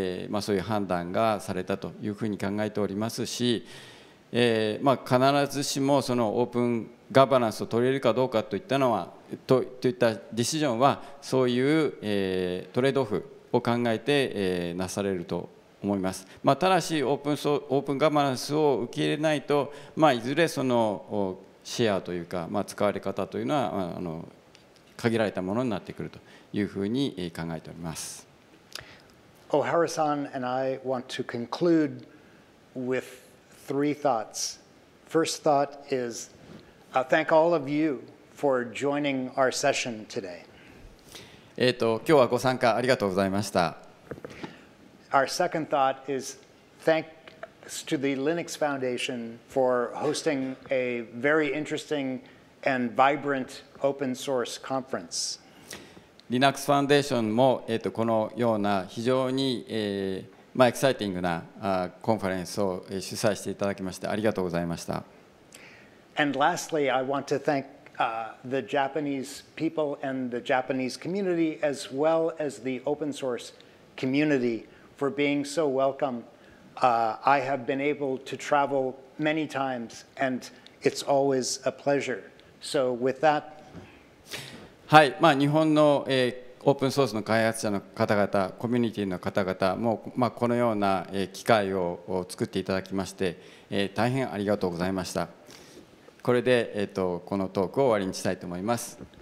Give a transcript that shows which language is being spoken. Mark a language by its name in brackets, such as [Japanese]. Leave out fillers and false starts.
[Japanese] まあ、そういう判断がされたというふうに考えておりますし、まあ、必ずしもそのオープンガバナンスを取り入れるかどうかといったのは、といったディシジョンは、そういう、トレードオフを考えて、なされると。思います。まあ、ただしオープンガバナンスを受け入れないと、まあ、いずれそのシェアというか、まあ、使われ方というのは限られたものになってくるというふうに考えております。 [English] O'Hara-san and I want to conclude with three thoughts. First thought is, thank all of you for joining our session today. 今日はご参加ありがとうございました。 Our second thought is thank to the Linux Foundation for hosting a very interesting and vibrant open source conference. [Japanese] Linux Foundation も、このような非常に、まあ、エキサイティングな、コンファレンスを、主催していただきましてありがとうございました。 [English] And lastly, I want to thank, the Japanese people and the Japanese community as well as the open source community for being so welcome. I have been able to travel many times and it's always a pleasure. So with that, [Japanese] はい、まあ、日本の、オープンソースの開発者の方々、コミュニティの方々も、まあ、このような、機会を作っていただきまして、大変ありがとうございました。これで、このトークを終わりにしたいと思います。